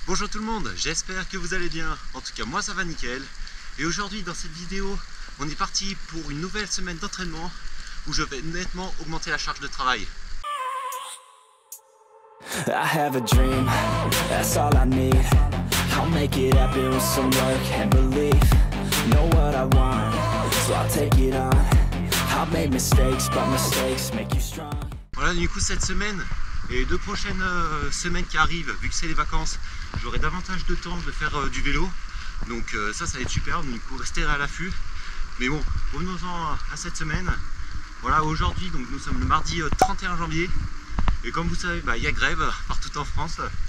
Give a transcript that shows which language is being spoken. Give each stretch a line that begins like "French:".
French: Bonjour tout le monde, j'espère que vous allez bien. En tout cas, moi ça va nickel. Et aujourd'hui, dans cette vidéo, on est parti pour une nouvelle semaine d'entraînement où je vais nettement augmenter la charge de travail.
English: I have a dream, that's all I need. I'll make it happen with some work and belief. Know what I want, so I'll take it on. I've made mistakes, but mistakes make you strong.
French: Voilà, du coup, cette semaine et deux prochaines semaines qui arrivent, vu que c'est les vacances, j'aurai davantage de temps de faire du vélo. Donc ça va être super, donc restez à l'affût. Mais bon, revenons-en à cette semaine. Voilà, aujourd'hui, donc nous sommes le mardi 31 janvier. Et comme vous savez, bah, y a grève partout en France.